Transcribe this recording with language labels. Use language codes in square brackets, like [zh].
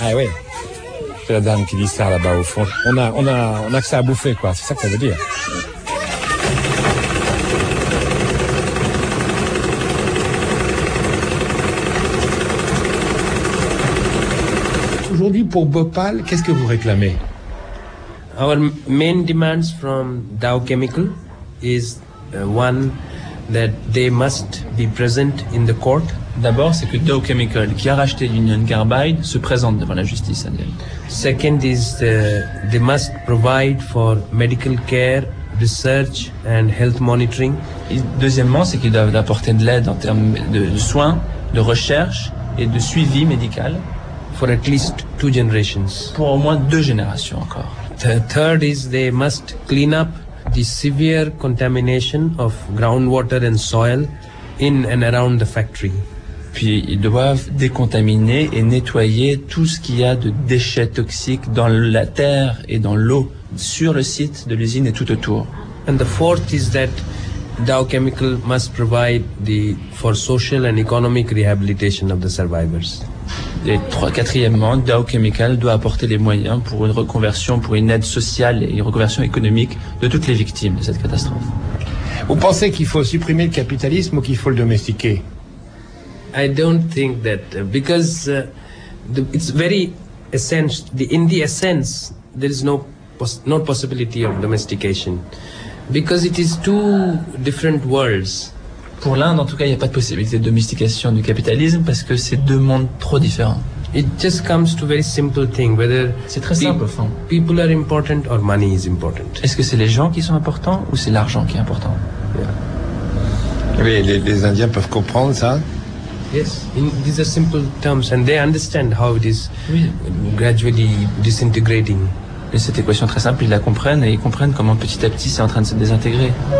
[fr] Ah oui, c'est la dame qui dit ça là-bas au fond. On a que ça à bouffer, quoi. C'est ça que ça veut dire. Aujourd'hui, pour Bhopal, qu'est-ce que vous réclamez? [en] Our main demands from Dow Chemical is one that they must be present in the court. [fr] D'abord, c'est que Dow Chemical, qui a racheté Union Carbide, se présente devant la justice indienne. [en] Second is they must provide for medical care, research and health monitoring. [fr] Et deuxièmement, c'est qu'ils doivent apporter de l'aide en termes de soins, de recherche et de suivi médical. [en] For at least two generations. [fr] Pour au moins deux générations encore. [en] The third is they must clean up the severe contamination of groundwater and soil in and around the factory. [fr] Puis ils doivent décontaminer et nettoyer tout ce qu'il y a de déchets toxiques dans la terre et dans l'eau sur le site de l'usine et tout autour. [en] And the fourth is that Dow Chemical must provide for social and economic rehabilitation of the survivors. [fr] Et quatrièmement, Dow Chemical doit apporter les moyens pour une reconversion, pour une aide sociale et une reconversion économique de toutes les victimes de cette catastrophe. Vous pensez qu'il faut supprimer le capitalisme ou qu'il faut le domestiquer? [en] I don't think that because it's very essential. In the essence, there is no possibility of domestication because it is two different worlds. [fr] Pour l'Inde, en tout cas, il n'y a pas de possibilité de domestication du capitalisme parce que c'est deux mondes trop différents. [en] It just comes to very simple thing, whether [fr] c'est très simple, enfin. [en] People are important or money is important. [fr] Est-ce que c'est les gens qui sont importants ou c'est l'argent qui est important? [en] Yeah. [fr] Oui, les Indiens peuvent comprendre ça. [en] Yes, these are simple terms and they understand how it is gradually disintegrating. [fr] Et cette équation très simple, ils la comprennent et ils comprennent comment petit à petit c'est en train de se désintégrer.